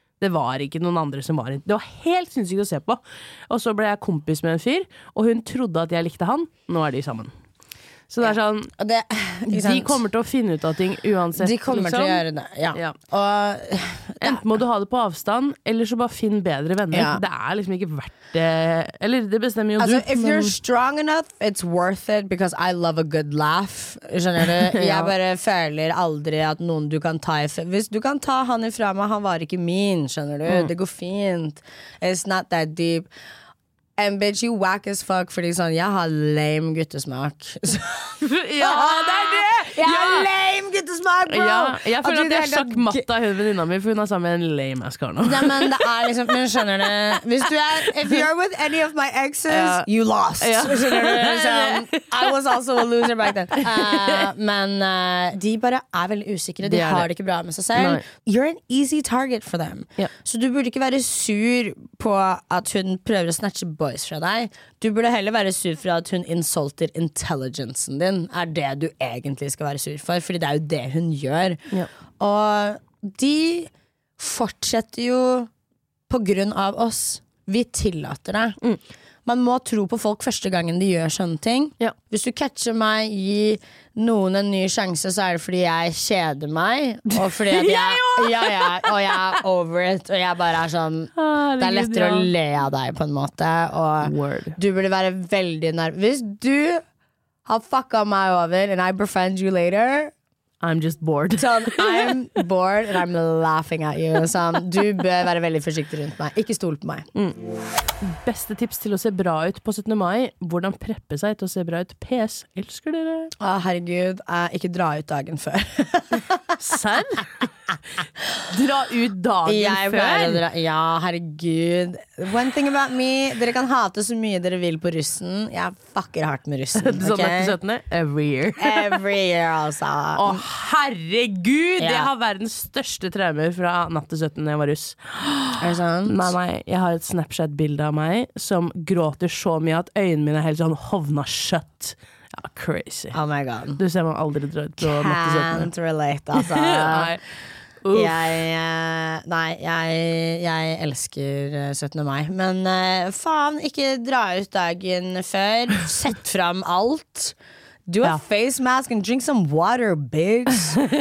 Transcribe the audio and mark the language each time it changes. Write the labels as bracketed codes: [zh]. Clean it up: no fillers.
[no] Det var ikke noen andre som var inn. Det var helt sinnssykt å se på. Og så ble jeg kompis med en fyr, og hun trodde at jeg likte han. Nå er de sammen. Så det er sånn, ja, det, de kommer til å finne ut av ting uansett. De kommer liksom. Til å gjøre det, ja. Ja. Og, ja. Enten må du ha det på avstand, eller så bare finn bedre venner. Ja. Det er liksom ikke verdt det. Eller det bestemmer jo altså, du. [en] If you're strong enough, it's worth it, because I love a good laugh. [no] Skjønner du? Jeg ja. Bare føler aldri at noen du kan ta ifra. Hvis du kan ta han ifra meg, han var ikke min, skjønner du? Mm. Det går fint. [en] It's not that deep. And bitch, you whack as fuck. [no] Fordi sånn, jeg har lame guttesmak. Ja, det er det. Jeg har lame guttesmak, bro. Ja, jeg føler at jeg har sagt matt av hovedvenninna mi, for hun har sammen med en lame ass kar nå. Ja, men det er liksom, men skjønner du, hvis du er, [en] if you're with any of my exes, you lost. [no] Ja. Skjønner du, så, [en] I was also a loser back then. [no] Men de bare er veldig usikre. De har det ikke bra med seg selv. Nei. [en] You're an easy target for them. Yeah. [no] Så du burde ikke være sur på at hun prøver å snatche boys fra deg. Du burde heller være sur for at hun insulter intelligensen din. Er det du egentlig skal være sur for? Fordi det er jo det hun gjør. Ja. Og de fortsetter jo på grunn av oss. Vi tillater det. Mm. Man må tro på folk første gangen de gjør sånne ting. Ja. Hvis du catcher meg, gi noen en ny sjanse, så er det fordi jeg kjeder meg. Og fordi at jeg, og jeg er [en] over it. [no] Og jeg bare er sånn, det er lettere å le av deg på en måte. Og [en] word. [no] Du burde være veldig nær. Hvis du [en] I'll fuck up my oven and I befriend you later. I'm just bored. [no] Så [en] I'm bored and I'm laughing at you. [no] Så du bør være veldig forsiktig rundt meg. Ikke stol på meg. Mm. Beste tips til å se bra ut på 17. mai. Hvordan preppe seg til å se bra ut? PS, elsker dere. Å, herregud, ikke dra ut dagen før. Sær? Dra ut dagen jeg før? Dra, ja, herregud. [en] One thing about me, [no] dere kan hate så mye dere vil på russen. Jeg fucker hardt med russen. [en] Okay? [no] Sånn etter 17. [en] Every year. Every year, altså. [no] Å, herregud, yeah. Det har verdens største traumer fra natt til 17 når jeg var russ. Er det sant? Nei, nei, jeg har et Snapchat-bilde av meg som gråter så mye at øynene mine er helt sånn hovna skjøtt. Ja, crazy. [en] Oh my god. [no] Du ser meg aldri dra ut på natt til 17. [en] Can't relate, [no] altså. Nei. Jeg elsker 17. mai. Men faen, ikke dra ut dagen før. Sett fram alt. [en] Do a face mask and drink some water, bitch.